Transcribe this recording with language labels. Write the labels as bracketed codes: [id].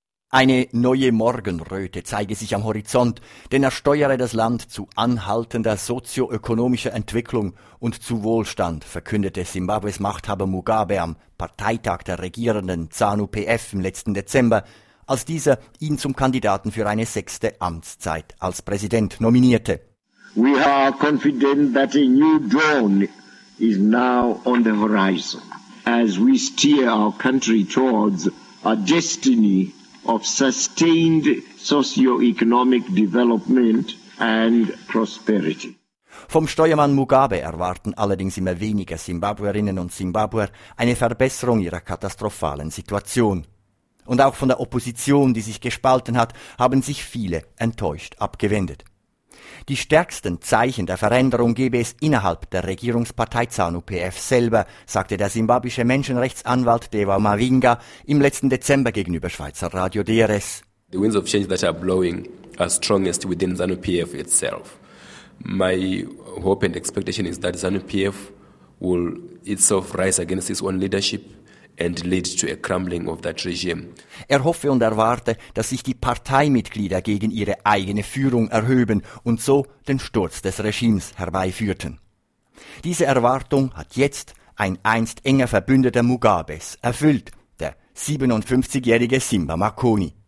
[de] Eine neue Morgenröte zeige sich am Horizont, denn er steuere das Land zu anhaltender sozioökonomischer Entwicklung und zu Wohlstand, verkündete Simbabwes Machthaber Mugabe am Parteitag der regierenden ZANU-PF im letzten Dezember, als dieser ihn zum Kandidaten für eine sechste Amtszeit als Präsident nominierte. [en] We are confident that a new dawn is now on the horizon, as we steer our country towards a destiny of sustained socio-economic development and prosperity. [de] Vom Steuermann Mugabe erwarten allerdings immer weniger Simbabwerinnen und Simbabwer eine Verbesserung ihrer katastrophalen Situation. Und auch von der Opposition, die sich gespalten hat, haben sich viele enttäuscht abgewendet. Die stärksten Zeichen der Veränderung gebe es innerhalb der Regierungspartei ZANU-PF selber, sagte der simbabwische Menschenrechtsanwalt Deva Mavinga im letzten Dezember gegenüber Schweizer Radio DRS. [en] The winds of change that are blowing are strongest within ZANU-PF itself. My hope and expectation is that ZANU-PF will itself rise against its own leadership and lead to a crumbling of that regime. [de] Er hoffe und erwarte, dass sich die Parteimitglieder gegen ihre eigene Führung erhöben und so den Sturz des Regimes herbeiführten. Diese Erwartung hat jetzt ein einst enger Verbündeter Mugabes erfüllt, der 57-jährige Simba Makoni.